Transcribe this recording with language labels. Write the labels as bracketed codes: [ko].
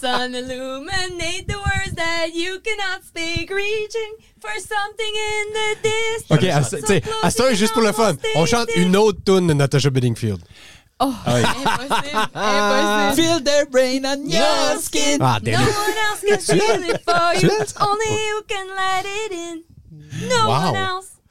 [en] Illuminate the words that you cannot speak, reaching for something in the distance. [fr] Ok, c'est juste pour le fun. On chante une autre tune de Natasha Bedingfield. Oh, oui. Impossible. [en] Feel the rain on your skin. Ah, no one else can feel it for you. Only you can let it in. No one else.